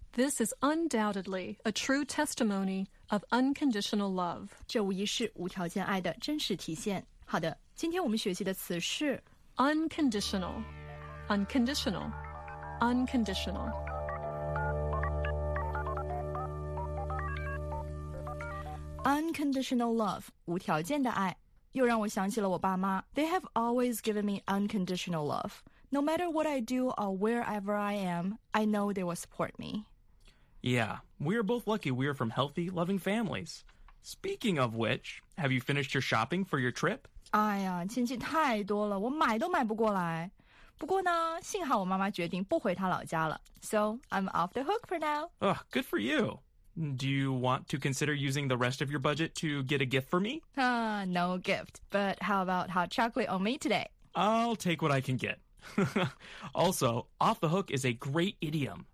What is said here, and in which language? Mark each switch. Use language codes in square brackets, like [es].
[en] This is undoubtedly a true testimony of unconditional love. [zh] 这无疑是无条件爱的真实体现。好的，今天我们学习的词是 [en] unconditional, unconditional, unconditional. Unconditional love, [zh] 无条件的爱，又让我想起了我爸妈。 [en] They have always given me unconditional love. No matter what I do or wherever I am, I know they will support me. Yeah, we are both lucky we are from healthy, loving families. Speaking of which, have you finished your shopping for your trip? [zh] 哎呀，亲戚太多了，我买都买不过来。不过呢，幸好我妈妈决定不回她老家了。 [en] So, I'm off the hook for now. Oh, good for you. Do you want to consider using the rest of your budget to get a gift for me? No gift. But how about hot chocolate on me today? I'll take what I can get. Also, off the hook is a great idiom.